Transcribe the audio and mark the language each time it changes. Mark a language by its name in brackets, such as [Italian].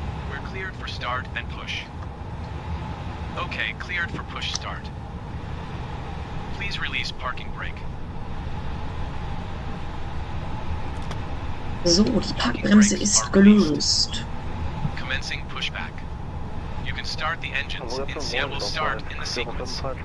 [English] We're cleared for start and push. Okay, cleared for push start. Please release parking brake. [German] So, die Parkbremse ist gelöst. [English] Commencing pushback. You can start the engines and see it will start in the sequence.